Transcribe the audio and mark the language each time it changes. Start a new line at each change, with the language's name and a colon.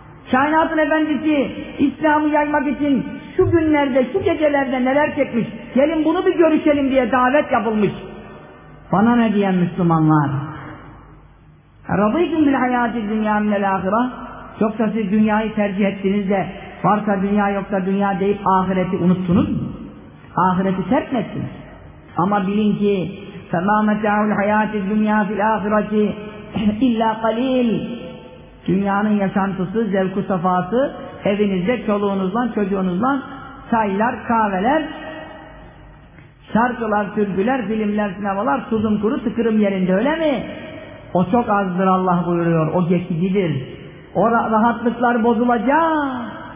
Turkish: Kainatın Efendisi İslam'ı yaymak için şu günlerde, şu gecelerde neler çekmiş, gelin bunu bir görüşelim diye davet yapılmış. Bana ne diyen Müslümanlar?
Arabic: Radıyküm bil hayati dünya minel ahire.
Turkish: Yoksa siz dünyayı tercih ettiniz de varsa dünya yoksa dünya deyip ahireti unuttunuz mu? Ahireti terk ettiniz. Ama bilin ki
Arabic: فَمَا مَتَعُ الْحَيَاتِ الدُّنْيَا فِي الْآخِرَةِ اِلَّا قَلِيلٍ.
Turkish: Dünyanın yaşantısı, zevku safası, evinizde çoluğunuzla, çocuğunuzla çaylar, kahveler, şarkılar, türküler, filmler, sinemalar, tuzum kuru, tıkırım yerinde, öyle mi? O çok azdır Allah buyuruyor, o geçicidir. O rahatlıklar bozulacak.